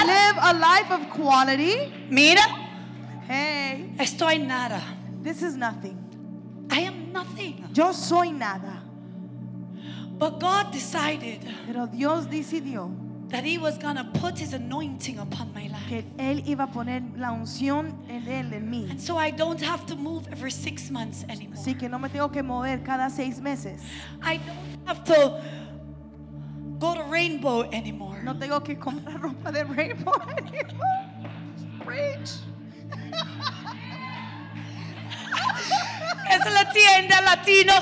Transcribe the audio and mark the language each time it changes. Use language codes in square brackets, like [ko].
[en] To live a life of quality. [es] Mira. [en] Hey. [es] Estoy nada. [en] This is nothing. I am nothing. [es] Yo soy nada. [en] But God decided. [es] Pero Dios decidió. [en] That He was gonna put His anointing upon my life. [es] Que él iba a poner la unción en él en mí. [en] And so I don't have to move every 6 months anymore. [es] Así que no me tengo que mover cada 6 meses. [en] I don't have to. Go to Rainbow anymore. [es] No tengo que comprar ropa de Rainbow [en] anymore. Preach. [es] Es la tienda latina.